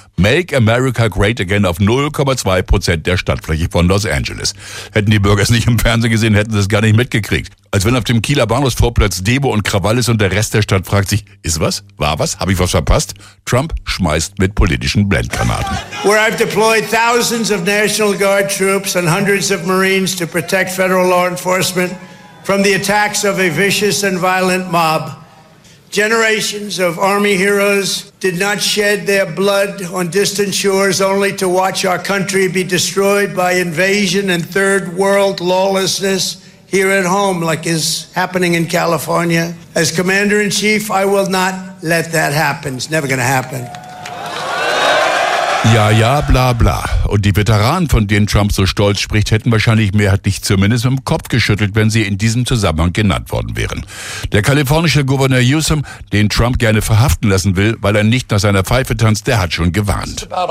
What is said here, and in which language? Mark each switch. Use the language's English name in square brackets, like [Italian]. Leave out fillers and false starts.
[English] Make America Great Again [German] auf 0,2% der Stadtfläche von Los Angeles. Hätten die Bürger es nicht im Fernsehen gesehen, hätten sie es gar nicht mitgekriegt. Als wenn auf dem Kieler Bahnhofsvorplatz Demo und Krawall ist und der Rest der Stadt fragt sich, ist was? War was? Habe ich was verpasst? Trump schmeißt mit politischen Blendgranaten. [English] Where I've deployed thousands of National Guard troops and hundreds of Marines to protect federal law enforcement from the attacks of a vicious and violent mob. Generations of army heroes did not shed their blood on distant shores only to watch our country be destroyed by invasion and third world lawlessness here at home, like is happening in California. As commander in chief, I will not let that happen. It's never going to happen. [German] Ja, ja, bla, bla. Und die Veteranen, von denen Trump so stolz spricht, hätten wahrscheinlich mehrheitlich zumindest im Kopf geschüttelt, wenn sie in diesem Zusammenhang genannt worden wären. Der kalifornische Gouverneur Newsom, den Trump gerne verhaften lassen will, weil er nicht nach seiner Pfeife tanzt, der hat schon gewarnt.